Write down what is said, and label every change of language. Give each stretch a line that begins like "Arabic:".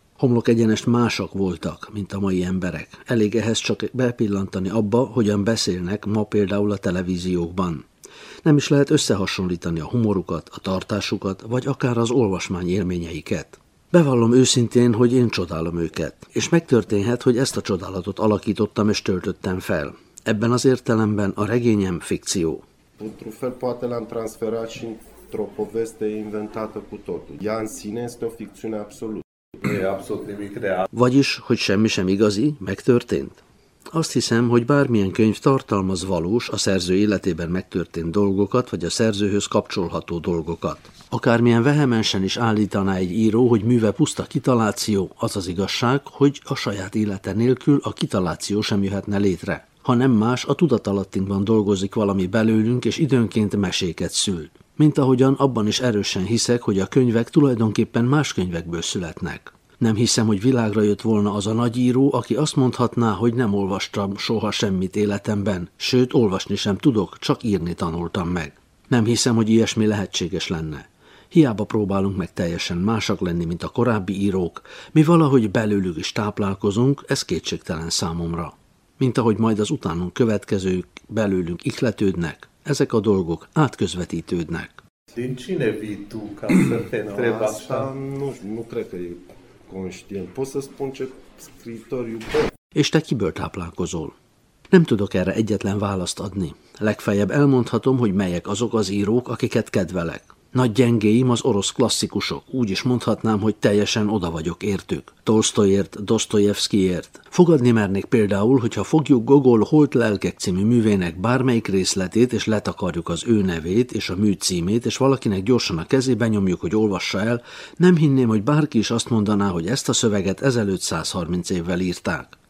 Hungarian: Homlok egyenest másak voltak, mint a mai emberek. Elég ehhez csak bepillantani abba, hogyan beszélnek ma például a televíziókban. Nem is lehet összehasonlítani a humorukat, a tartásukat, vagy akár az olvasmány élményeiket. Bevallom őszintén, hogy én csodálom őket. És megtörténhet, hogy ezt a csodálatot alakítottam és töltöttem fel. Ebben az értelemben a regényem fikció.
Romanian: Într-un fel poate l-am transferat și într-o poveste inventată cu totul. Ea în sine este o ficțiune absolută. E absolut nimic real.
Hungarian: Vagyis, hogy semmi sem igazi, megtörtént? Azt hiszem, hogy bármilyen könyv tartalmaz valós, a szerző életében megtörtént dolgokat, vagy a szerzőhöz kapcsolható dolgokat. Akármilyen vehemensen is állítaná egy író, hogy műve puszta kitaláció, az az igazság, hogy a saját élete nélkül a kitaláció sem jöhetne létre. Ha nem más, a tudatalattinkban dolgozik valami belőlünk, és időnként meséket szül. Mint ahogyan abban is erősen hiszek, hogy a könyvek tulajdonképpen más könyvekből születnek. Nem hiszem, hogy világra jött volna az a nagyíró, aki azt mondhatná, hogy nem olvastam soha semmit életemben, sőt, olvasni sem tudok, csak írni tanultam meg. Nem hiszem, hogy ilyesmi lehetséges lenne. Hiába próbálunk meg teljesen másak lenni, mint a korábbi írók, mi valahogy belőlük is táplálkozunk, ez kétségtelen számomra. Mint ahogy majd az utánunk következők belőlünk ihletődnek, ezek a dolgok átközvetítődnek.
Romanian: Din cine vii tu ca să te întreb asta? Nu cred că e conștient. Poți să spun ce scriitor iubesc?
Hungarian: És te kiből táplálkozol? Nem tudok erre egyetlen választ adni. Legfeljebb elmondhatom, hogy melyek azok az írók, akiket kedvelek. Nagy gyengéim az orosz klasszikusok, úgy is mondhatnám, hogy teljesen oda vagyok értük. Tolstoyért, Dostoyevskyért. Fogadni mernék például, hogyha fogjuk Gogol Holt lelkek című művének bármelyik részletét, és letakarjuk az ő nevét és a mű címét, és valakinek gyorsan a kezébe nyomjuk, hogy olvassa el, nem hinném, hogy bárki is azt mondaná, hogy ezt a szöveget ezelőtt 130 évvel írták.